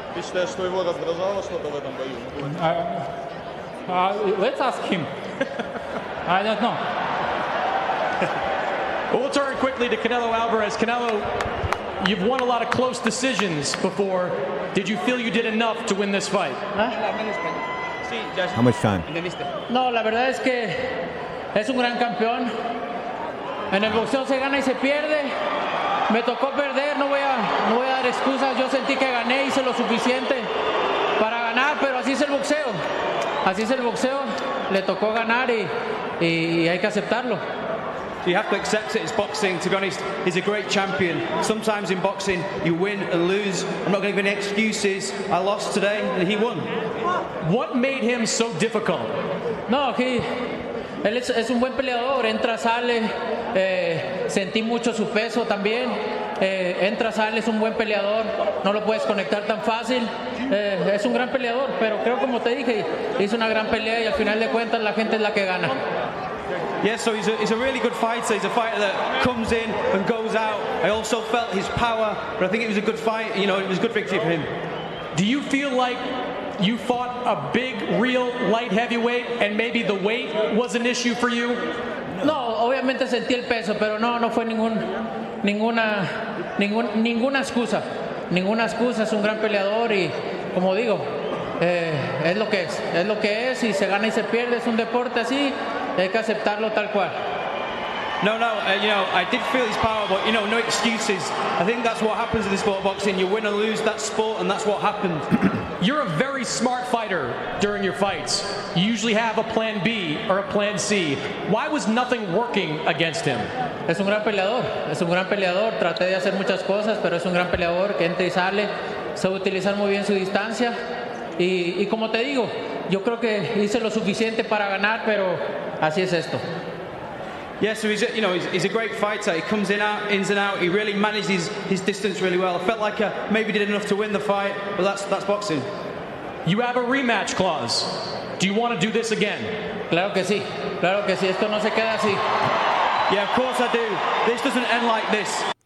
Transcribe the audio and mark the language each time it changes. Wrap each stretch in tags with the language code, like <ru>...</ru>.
<en>Let's ask him. I don't know. We'll turn quickly to Canelo Alvarez. Canelo, you've won a lot of close decisions before. Did you feel you did enough to win this fight? Huh? How much time?</en> <es>No, la verdad es que es un gran campeón. En el boxeo se gana y se pierde. Me tocó perder, no voy a dar excusas. Yo sentí que gané, hice lo suficiente para ganar, pero así es el boxeo. Así es el boxeo. Le tocó ganar y hay que aceptarlo.</es> <en>You have to accept it. It's boxing. To be honest, he's a great champion. Sometimes in boxing, you win and lose. I'm not going to give any excuses. I lost today, and he won. What made him so difficult?</en> <es>No, él es un buen peleador. Entra, sale. Sentí mucho su peso también. Entra, sale, es un buen peleador. No lo puedes conectar tan fácil. Es un gran peleador, pero creo, como te dije, hizo una gran pelea y al final de cuentas la gente es la que gana.</es> <en>Yes, so he's a really good fighter. He's a fighter that comes in and goes out. I also felt his power, but I think it was a good fight. You know, it was a good victory for him. Do you feel like you fought a big, real light heavyweight and maybe the weight was an issue for you?</en> <es>No, obviamente sentí el peso, pero no fue ninguna excusa. Ninguna excusa, es un gran peleador y, como digo, es lo que es. Es lo que es y se gana y se pierde. Es un deporte así. Hay que aceptarlo tal cual.</es> <en>No, you know, I did feel his power, but, you know, no excuses. I think that's what happens in the sport of boxing. You win or lose, that sport, and that's what happened. You're a very smart fighter during your fights. You usually have a plan B or a plan C. Why was nothing working against him?</en> <es>Es un gran peleador. Es un gran peleador. Traté de hacer muchas cosas, pero es un gran peleador que entra y sale. Sabe utilizar muy bien su distancia. Y como te digo, yo creo que hice lo suficiente para ganar, pero así es esto.</es> <en>Yeah, so he's a great fighter. He comes in, out, ins and out. He really manages his distance really well. I felt like maybe did enough to win the fight, but that's boxing. You have a rematch clause. Do you want to do this again?</en> <es>Claro que sí. Claro que sí. Esto no se queda así.</es> <en>Yeah, of course I do. This doesn't end like this.</en>